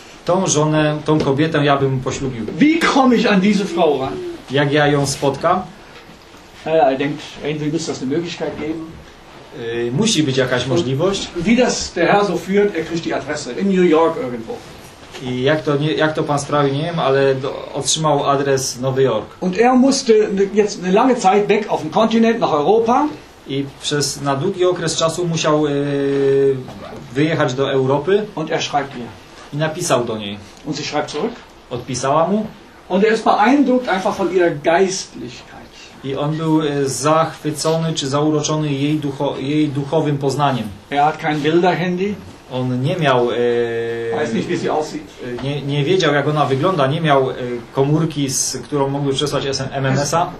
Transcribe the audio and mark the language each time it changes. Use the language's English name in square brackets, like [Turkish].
[Polish] Tą żonę, tą kobietę ja bym poślubił. [German] Wie komme ich an diese Frau ran? [Polish] Jak ja ją spotkam? [German] Naja, er denkt, irgendwie muss das eine Möglichkeit geben. [Polish] Musi być jakaś możliwość. [German] Wie das der Herr so führt, er kriegt die Adresse in New York irgendwo. [Polish] I jak to, nie, jak to pan sprawi, nie wiem, ale otrzymał adres Nowy Jork. [German] Und er musste jetzt eine lange Zeit weg auf den Kontinent nach Europa. [Polish] I przez na długi okres czasu musiał wyjechać do Europy. [German] Und er schreibt ihr. [Polish] I napisał do niej. [German] Und sie schreibt zurück. [Polish] Odpisała mu. [German] Und er ist beeindruckt einfach von ihrer Geistlichkeit. [Polish] I on był zachwycony czy zauroczony jej, jej duchowym poznaniem. [German] Er hat kein Bilderhandy. [Polish] On nie miał [German] weiß nicht, wie sie aussieht. [Polish] Nie wiedział, jak ona wygląda, nie miał komórki, z którą mogły przesłać MMS-a.